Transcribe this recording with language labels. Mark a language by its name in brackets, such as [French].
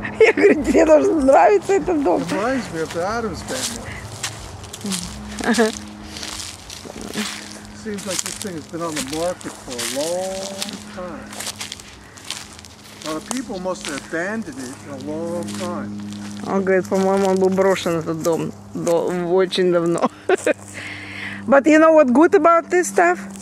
[Russian] Я говорю, тебе должен нравиться этот дом. [English] Seems like this thing has been on the market for a long time. A lot of people must have abandoned it a long time. [Russian] Он говорит, по-моему, он был брошен этот дом очень давно. [English] But you know what good about this stuff?